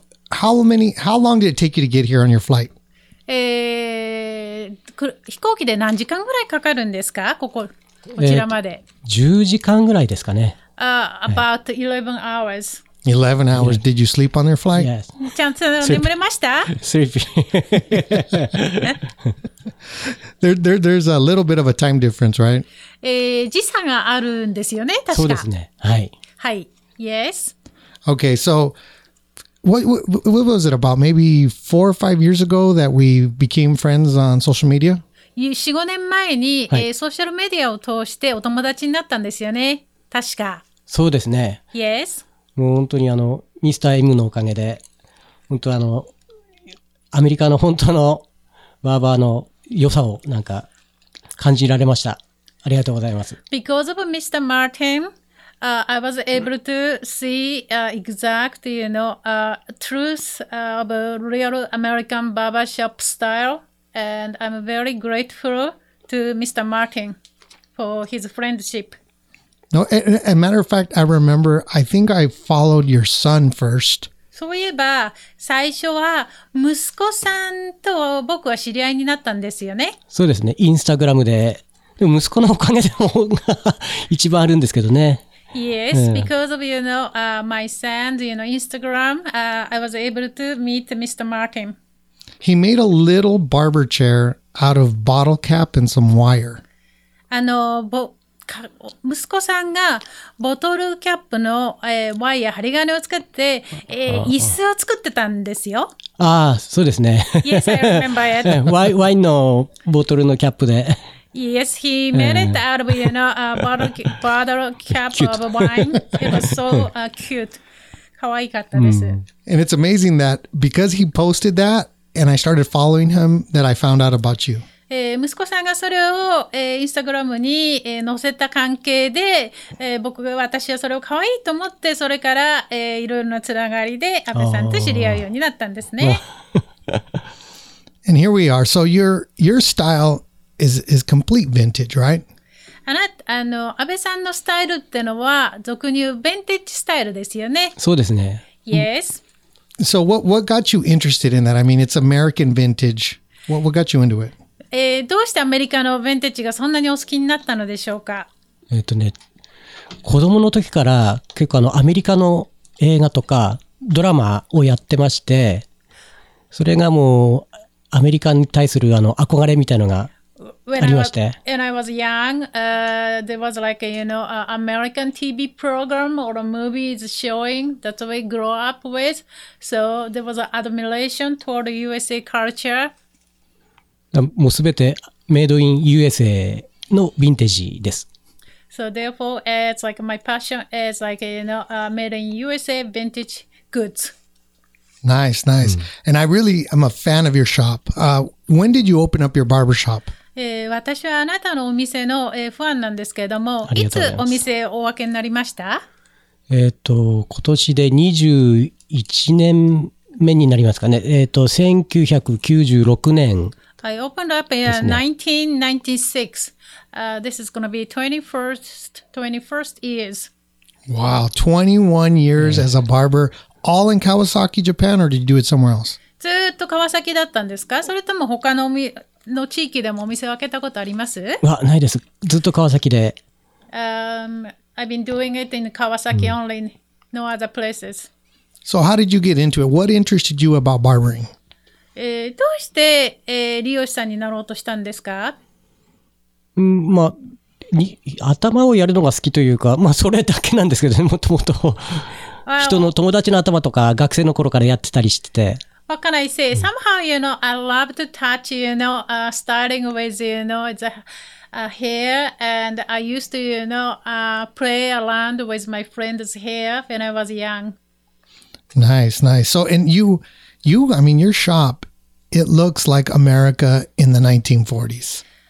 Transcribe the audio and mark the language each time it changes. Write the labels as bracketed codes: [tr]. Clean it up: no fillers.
[en] How long did it take you to get here on your flight? [ja] 飛行機で何時間ぐらいかかるんですか？こちらまで。 10時間ぐらいですかね。 [en] About 11 hours. 11 hours. Yeah. Did you sleep on your flight? Yes. [ja] ちゃんと眠れました？ [en] Sleepy. There's a little bit of a time difference, right? [ja] 時差があるんですよね、確か。そうですね。はい。はい。Yes. [en] Okay, so what was it about maybe 4 or 5 years ago that we became friends on social media? [ja] 4、5年前に、はい、ソーシャルメディアを通してお友達になったんですよね、確か。そうですね。 [en] Yes。 [ja] もう本当にあのミスター M のおかげで、本当あのアメリカの本当のバーバーの良さをなんか感じられました。ありがとうございます。 [en] Because of Mr. Martin、I was able to see、exact, you know, truth of real American barbershop style, and I'm very grateful to Mr. Martin for his friendship. No, a matter of fact, I remember, I think I followed your son first. [ja] そういえば、最初は息子さんと僕は知り合いになったんですよね。そうですね、インスタグラムで。でも息子のおかげでも一番あるんですけどね。 [en] Yes, because of, you know,、my son, you know, Instagram,、I was able to meet Mr. Martin. He made a little barber chair out of bottle cap and some wire. [ja] あの、息子さんがボトルキャップの、ワイヤー、針金を使って、椅子を作ってたんですよ。ああ、そうですね。 [en] Yes, I remember it. [ja] ワインのボトルのキャップで。 [en] Yes, he made it out of, you know, a bottle cap of wine. It was so、cute. [ja] かわいかったです。 [en] And it's amazing that because he posted that and I started following him that I found out about you.、 [ja] 息子さんがそれを、インスタグラムに、載せた関係で、僕が私はそれをかわいいと思って、それから、いろいろなつながりで阿部さんと知り合うようになったんですね。 [en] And here we are. So your style... Is complete vintage, right? [ja] あの、安倍さんのスタイルってのは俗に言うヴィンテージスタイルですよね。そうですね。 [en] Yes. So what got you interested in that? I mean, it's American vintage. What got you into it?、 [ja] どうしてアメリカのヴィンテージがそんなにお好きになったのでしょうか。子供の時から結構あのアメリカの映画とかドラマをやってまして、それがもうアメリカに対するあの憧れみたいなのが。 [en] When I was young,、there was like a, you know, a American TV program or a movies showing that we grew up with. So there was an admiration toward USA culture. [ja] もうすべてメイドイン USA のヴィンテージです。 [en] So therefore,、it's like my passion is like, you know,、made in USA vintage goods. Nice, nice.、Mm. And I really am a fan of your shop.、when did you open up your barbershop? [ja] 私はあなたのお店の、ファンなんですけれども、いつお店をお開けになりました？今年で21年目になりますかね。 1996年ですね。 [en] I opened up in 1996. This is going to be 21st years. Wow, 21 years、yeah. as a barber, all in Kawasaki, Japan, or did you do it somewhere else? [ja] ずっと川崎だったんですか？それとも他のお店の地域でもお店を開けたことあります？あ、ないです。ずっと川崎で。 [en] I've been doing it in Kawasaki only,、うん、no other places. So how did you get into it? What interested you about barbering?、 [ja] どうして、理容師さんになろうとしたんですか？うん、まあ、頭をやるのが好きというか、まあそれだけなんですけどね、もともと人の友達の頭とか学生の頃からやってたりしてて。 [en] What can I say? Somehow, you know, I love to touch, you know,、starting with, you know, it's a hair. And I used to, you know,、play around with my friend's hair when I was young. Nice, nice. So, and you, I mean, your shop, it looks like America in the 1940s.